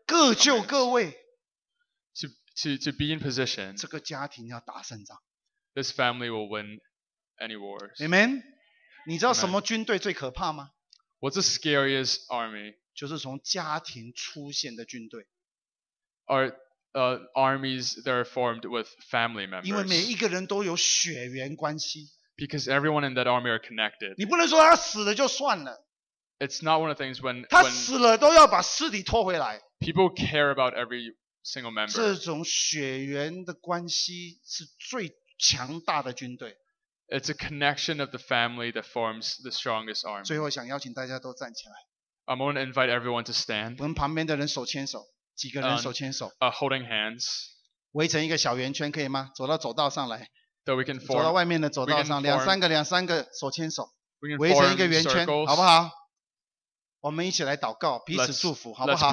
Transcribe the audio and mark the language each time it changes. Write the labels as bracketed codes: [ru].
[zh] 各就各位。 [en] To be in position. [zh] 这个家庭要打胜仗。 [en] This family will win any wars. Amen. [zh] 你知道什么军队最可怕吗 [en] ？What's the scariest army？ [zh] 就是从家庭出现的军队。 [en] Are armies that are formed with family members？ [zh] 因为每一个人都有血缘关系。 [en] Because everyone in that army are connected。 [zh] 你不能说他死了就算了。 [en] It's not one of the things when [zh] 他死了都要把尸体拖回来。 [en] People care about every single member。 [zh] 这种血缘的关系是最强大的军队。 [en] It's a connection of the family that forms the strongest arm. [zh] 最后想邀请大家都站起来。 [en] I'm going to invite everyone to stand. [zh] 跟旁边的人手牵手，几个人手牵手。 [en] Holding hands. [zh] 围成一个小圆圈可以吗？走到走道上来。 [en] That we can form. [zh] 走到外面的走道上，两三个两三个手牵手。 [en] We can form [zh] 围成一个圆圈， [en] circles. [zh] 好不好？我们一起来祷告，彼此祝福，好不好